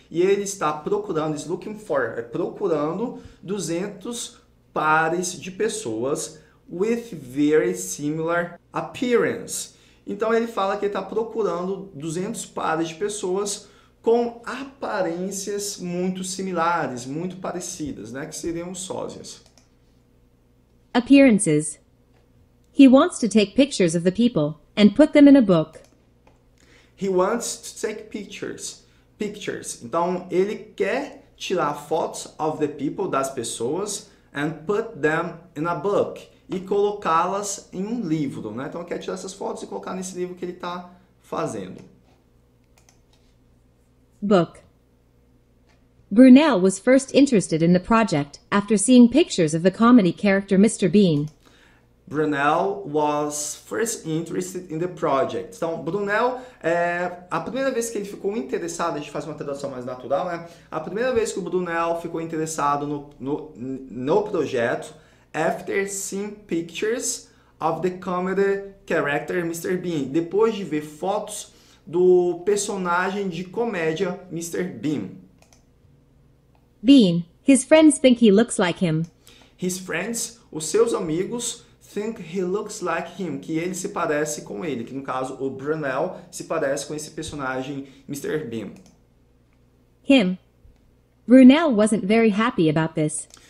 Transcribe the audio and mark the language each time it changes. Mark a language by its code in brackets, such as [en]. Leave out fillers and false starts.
[pt] E ele está procurando, [en] is looking for, [pt] é procurando 200 pares de pessoas [en] with very similar appearance. [pt] Então ele fala que ele está procurando 200 pares de pessoas com aparências muito similares, muito parecidas, né? Que seriam sósias. [en] Appearances. He wants to take pictures of the people and put them in a book. He wants to take pictures. Pictures. [pt] Então, ele quer tirar fotos [en] of the people, [pt] das pessoas, [en] and put them in a book. [pt] E colocá-las em um livro, né? Então, ele quer tirar essas fotos e colocar nesse livro que ele está fazendo. [en] Book. Brunel was first interested in the project after seeing pictures of the comedy character Mr. Bean. Brunel was first interested in the project. [pt] Então, Brunel, a primeira vez que ele ficou interessado, a gente faz uma tradução mais natural, né? A primeira vez que o Brunel ficou interessado no projeto, [en] after seeing pictures of the comedy character Mr. Bean. [pt] Depois de ver fotos do personagem de comédia Mr. Bean. [en] Bean, his friends think he looks like him. His friends, [pt] os seus amigos... [en] Think he looks like him, [pt] que ele se parece com ele, que no caso o Brunel se parece com esse personagem Mr. Bean. [en] Him. Brunel wasn't very happy about this.